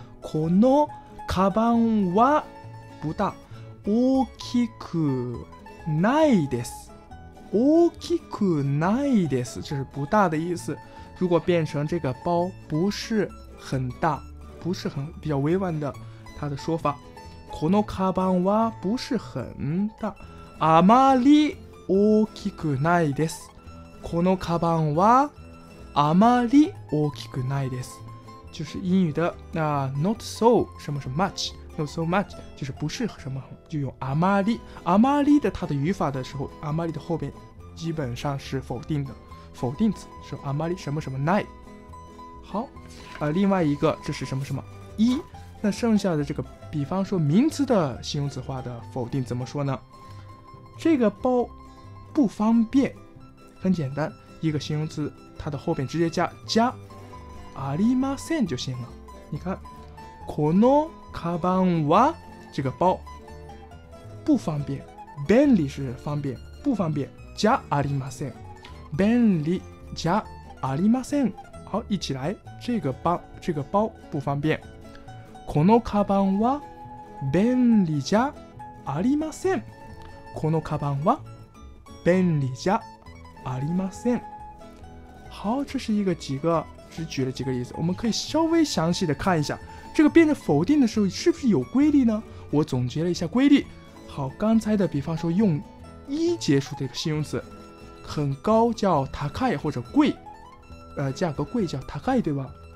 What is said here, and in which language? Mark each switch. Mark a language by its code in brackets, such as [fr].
[ja] このカバンは [zh] 不大， [ja] 大きくないです。大きくないです， [zh] 这是不大的意思。如果变成这个包不是很大，不是很比较委婉的，它的说法， [ja] このカバンは [zh] 不是很大。 [ja] あまり大きくないです。このカバンはあまり大きくないです。 [zh] 就是英语的 [en] not so [zh] 什么是 much。 [en] Not so much [zh] 就是不是什么，就用あまり。あまり的它的语法的时候，あまり的后边基本上是否定的，否定词是あまり什么什么ない。好，另外一个这是什么什么一。那剩下的这个，比方说名词的形容词化的否定怎么说呢？这个包不方便，很简单，一个形容词，它的后边直接加 [ja] ありません就行了。 [zh] 你看， [ja] このカバンは [zh] 这个包不方便，便利是方便，不方便加ありません，便利加ありません。好，一起来，这个包不方便， [ja] このカバンは便利じゃありません。このカバンは便利じゃありません。 [zh] 好，这是一个几个只举了几个例子，我们可以稍微详细的看一下。这个变成否定的时候是不是有规律呢？我总结了一下规律。好，刚才的比方说用一结束的形容词，很高叫高い或者贵，价格贵叫高い，对吧？